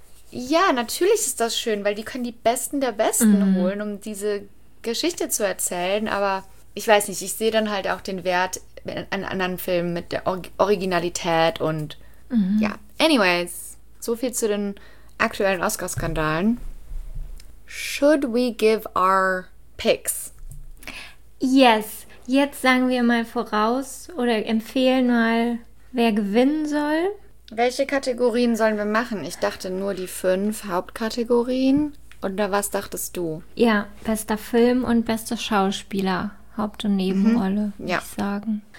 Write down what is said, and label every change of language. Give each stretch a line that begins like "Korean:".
German: Ja, natürlich ist das schön, weil die können die Besten der Besten holen, um diese Geschichte zu erzählen. Aber ich weiß nicht, ich sehe dann halt auch den Wert an anderen Filmen mit der Originalität und ja.
English: Anyways,
German: so viel zu den aktuellen Oscar-Skandalen.
English: Should we give our picks? Yes,
German: jetzt sagen wir mal voraus oder empfehlen mal, wer gewinnen soll. Welche Kategorien sollen wir machen? Ich dachte nur die 5 Hauptkategorien. Oder was dachtest du? Ja, bester Film und bester Schauspieler, Haupt- und Nebenrolle, ja, würde ich sagen.